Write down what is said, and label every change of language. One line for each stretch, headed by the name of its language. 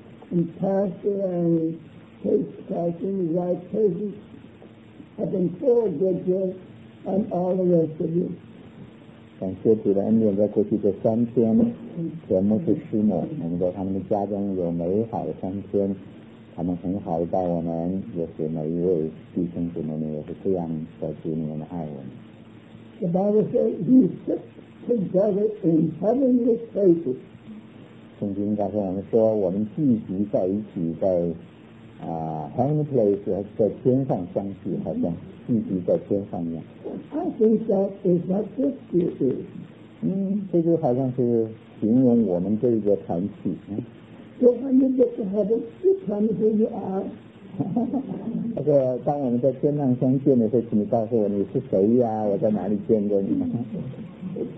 English: And Pastor Annie, Pastor and wife, Pastor, have been so good to us and all the rest of you.
Chinese: 感谢主的恩典，在过去这三天，全部是师母，能够他们的家中有美好的三天，他们很好的带我们，也是每一位弟兄姊妹们也是这样在主里面的爱我们。
English: The Bible says, "You sit together in heavenly places."
Chinese: 圣经告诉我们说，我们聚集在一起，在啊
English: heavenly place，
Chinese: 在天上相聚，好像聚集在天上一样。
English: I think that is what this is.
Chinese: 这就好像是形容我们这个团体。
English: So when you get to heaven, you tell me who you are.
Chinese: 他说当我们在天上相见的时候，请你告诉我你是谁呀、啊、我在哪里见过你。